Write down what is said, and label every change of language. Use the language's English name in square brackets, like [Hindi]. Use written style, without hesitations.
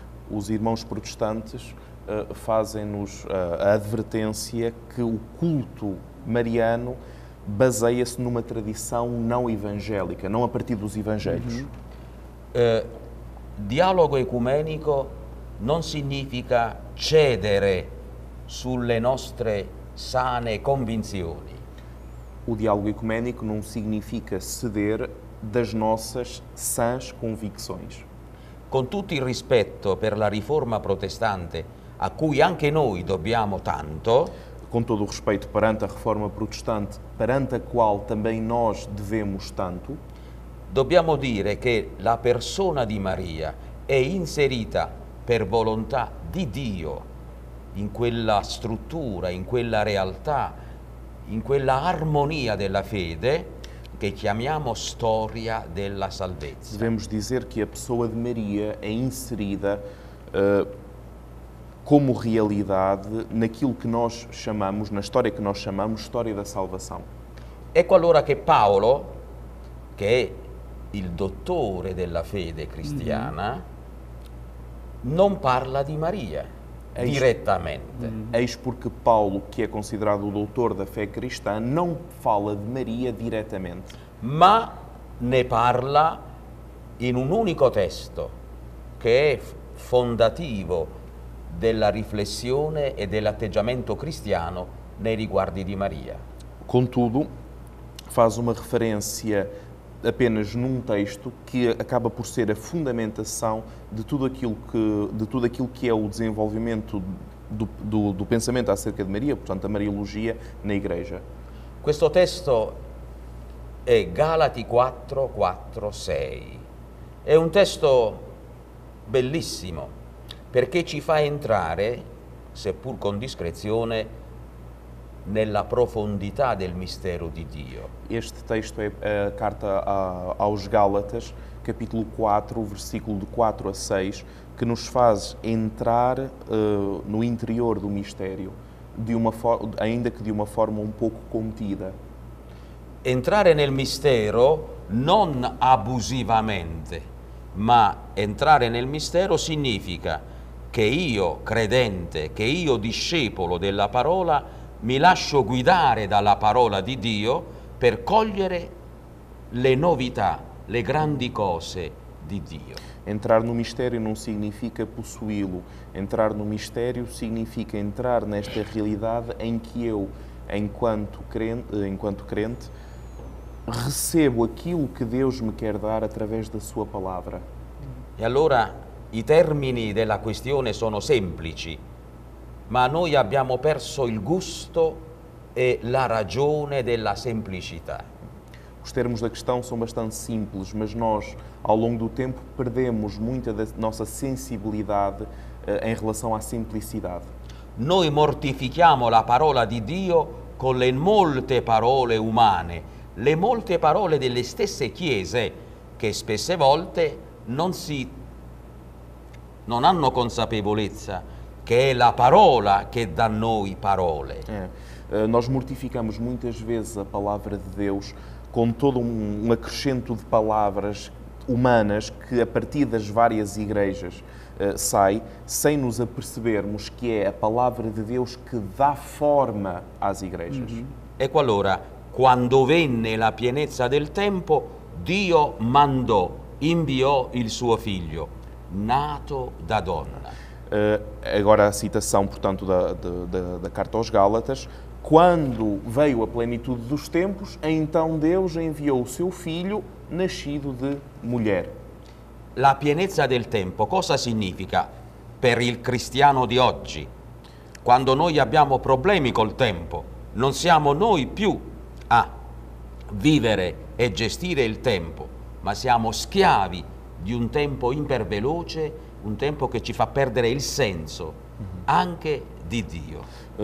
[Portuguese] Os irmãos protestantes fazem-nos a advertência que o culto mariano baseia-se numa tradição não evangélica, não a partir dos evangelhos. [Italian] Dialogo ecumenico non significa cedere sulle nostre sane convinzioni. [Portuguese] O diálogo ecumênico não significa ceder das nossas sãs convicções. [Italian] Con tutto il rispetto per la riforma protestante, a cui anche noi dobbiamo tanto, [Portuguese] com todo o respeito perante a reforma protestante, perante a qual também nós devemos tanto, [Italian] dobbiamo dire che la persona di Maria è inserita per volontà di Dio in quella struttura, in quella realtà, in quella armonia della fede che chiamiamo storia della salvezza. [Portuguese] Devemos dizer que a pessoa de Maria é inserida como realidade naquilo que nós chamamos, na história que nós chamamos, história da salvação. [Italian] Ecco allora che Paolo, che è il dottore della fede cristiana, non parla di Maria direttamente. [Portuguese] Eis porque Paulo, que é considerado o doutor da fé cristã, não fala de Maria diretamente. [Italian] Ma ne parla in un unico testo, che è fondativo della riflessione e dell'atteggiamento cristiano nei riguardi di Maria. [Portuguese] Contudo, faz uma referência apenas num texto que acaba por ser a fundamentação de tudo aquilo que é o desenvolvimento do pensamento acerca de Maria, portanto, a Mariologia na Igreja. [Italian] Questo testo è Galati 4:4-6. È un testo bellissimo, perché ci fa entrare, seppur con discrezione, nella profondità del mistero di Dio. [Portuguese] Este texto è a carta aos Gálatas, capítulo 4, versículo de 4 a 6, che nos faz entrar no interior do mistério, ainda [Italian] che di una forma un poco [Portuguese] contida. [Italian] Entrare nel mistero non abusivamente, ma entrare nel mistero significa che io, credente, che io, discepolo della parola, mi lascio guidare dalla parola di Dio per cogliere le novità, le grandi cose di Dio. [Portuguese] Entrar no mistério não significa possuí-lo. Entrar no mistério significa entrar nesta realidade em que eu, enquanto crente, recebo aquilo que Deus me quer dar através da sua palavra. [Italian] E allora i termini della questione sono semplici, ma noi abbiamo perso il gusto e la ragione della semplicità. [Portuguese] Os termos da questão são bastante simples, mas nós, ao longo do tempo, perdemos muita da nossa sensibilidade em relação à simplicidade. [Italian] Noi mortifichiamo la parola di Dio con le molte parole umane, le molte parole delle stesse chiese che spesse volte non hanno consapevolezza che è la parola che dà noi parole. [Portuguese] Nós mortificamos muitas vezes a palavra de Deus com todo um acrescento de palavras humanas que a partir das várias igrejas sai, sem nos apercebermos que é a palavra de Deus que dá forma às igrejas. [Italian] E qualora, quando venne la pienezza del tempo, Dio mandò, inviò il suo figlio, nato da donna. [Portuguese] Agora a citação, portanto, da carta aos Gálatas. Quando veio a plenitude dos tempos, então Deus enviou o seu filho nascido de mulher. [Italian] La pienezza del tempo cosa significa per il cristiano di oggi? Quando noi abbiamo problemi col tempo, non siamo noi più a vivere e gestire il tempo, ma siamo schiavi di un tempo iperveloce, un tempo che ci fa perdere il senso anche di Dio.